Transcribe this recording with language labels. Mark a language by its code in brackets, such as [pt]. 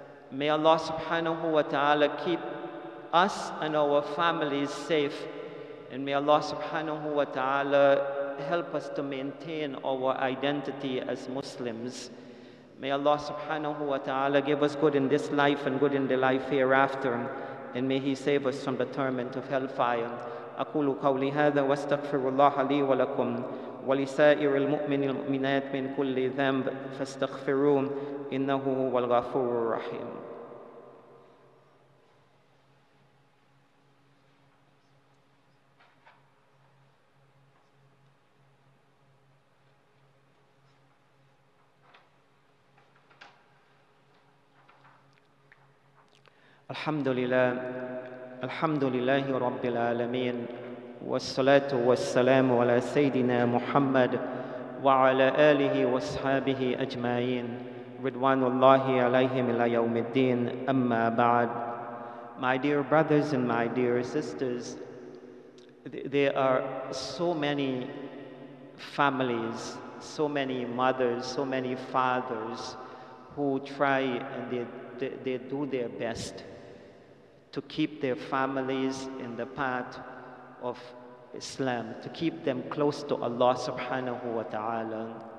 [en] May Allah subhanahu wa ta'ala keep us and our families safe, and may Allah subhanahu wa ta'ala help us to maintain our identity as Muslims. May Allah subhanahu wa ta'ala give us good in this life and good in the life hereafter. And may He save us from the torment of hellfire. [ar] أقول قولي هذا واستغفر الله لي ولكم ولسائر المؤمنين المؤمنات من كل ذنب فاستغفروه إنه هو الغفور الرحيم. الحمد لله. الحمد لله رب العالمين والصلاة والسلام على سيدنا محمد وعلى آله وصحبه أجمعين رضوان الله عليهم إلى يوم الدين أما بعد. [en] My dear brothers and my dear sisters, there are so many families, so many mothers, so many fathers who try and they do their best to keep their families in the path of Islam, to keep them close to Allah subhanahu wa ta'ala.